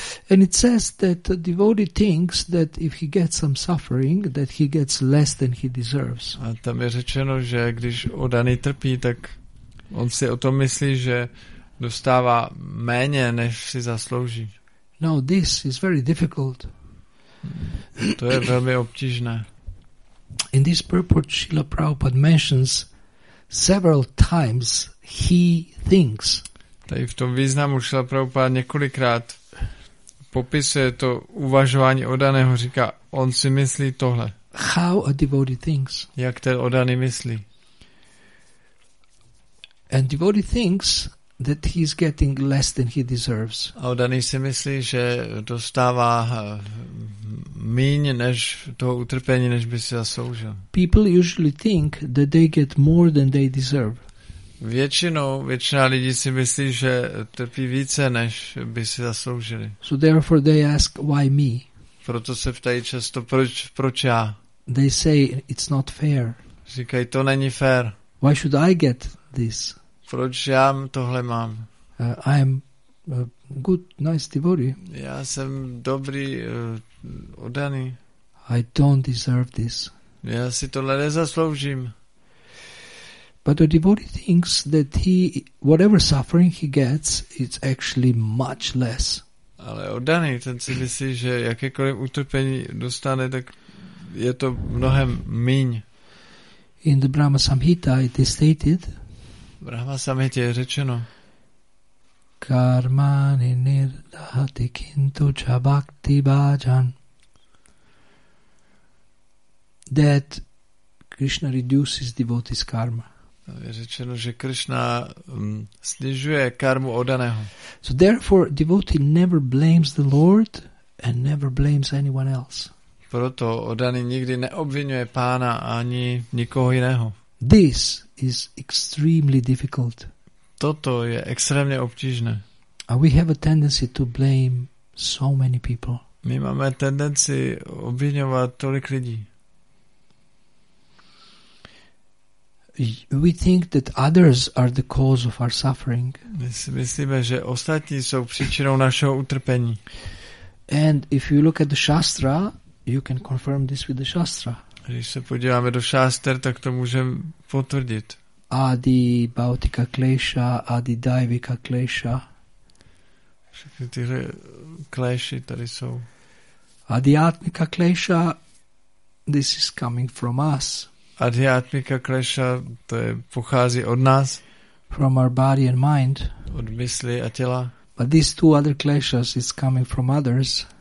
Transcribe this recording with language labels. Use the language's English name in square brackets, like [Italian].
[English] And it says that the devotee thinks that if he gets some suffering, that he gets less than he deserves. [Czech] A tam je řečeno, že když oddaný trpí, tak on si o tom myslí, že dostává méně, než si zaslouží. [English] No, this is very difficult. [Czech] To je velmi obtížné. [English] In this purport, Srila Prabhupada mentions several times he thinks. [Czech] Tady v tom významu Srila Prabhupada několikrát popisuje to uvažování oddaného, říká, on si myslí tohle. [English] How a devotee thinks. [Czech] Jak ten oddaný myslí. [English] And devotee thinks that he is getting less than he deserves. [Czech] A oddaný si myslí, že dostává míň než toho utrpení, než by si zasloužil. [English] People usually think that they get more than they deserve. [Czech] Většina lidí si myslí, že trpí více, než by si zasloužili. [English] So therefore they ask, why me? [Czech] Proto se ptají často, proč já? [English] They say, it's not fair. [Czech] Říkají, to není fair. [English] Why should I get this? [Czech] Proč já tohle mám? [English] I am a good, nice devotee. [Czech] Já jsem dobrý, oddaný. [English] I don't deserve this. [Czech] Já si tohle nezasloužím. [English] But the devotee thinks that he, whatever suffering he gets, it's actually much less. [Czech] Ale oddaný, ten si myslí, že jakékoliv utrpení dostane, tak je to mnohem míň. [English] In the Brahma Samhita it is stated, [Czech] Brahma Samhita je řečeno, [Sanskrit] karmani nirdahati kintu cha bhakti bhajan, [English] that Krishna reduces devotee's karma. [Czech] Je řečeno, že Krishna snižuje karmu oddaného. [English] So therefore devotee never blames the Lord and never blames anyone else. [Czech] Proto oddaný nikdy neobvinuje pána ani nikoho jiného. [English] This is extremely difficult. [Czech] Toto je extrémně obtížné. [English] And we have a tendency to blame so many people. [Czech] My máme tendenci obvinovat tolik lidí. [English] We think that others are the cause of our suffering. [Czech] My si myslíme, že ostatní jsou příčinou našeho utrpení. [English] And if you look at the Shastra, you can confirm this with the Shastra. [Czech] Když se podíváme do šáster, tak to můžeme potvrdit. [Sanskrit] Adi bautika klesha, adi daivika klesha. [Czech] Všechny tyhle kleshy tady jsou. [Sanskrit] Adi atmika klesha, [English] this is coming from us. [Sanskrit] Adi atmika klesha, [Czech] to je, pochází od nás. [English] From our body and mind. [Czech] Od mysli a těla. [English] But these two other kleshas, it's coming from others.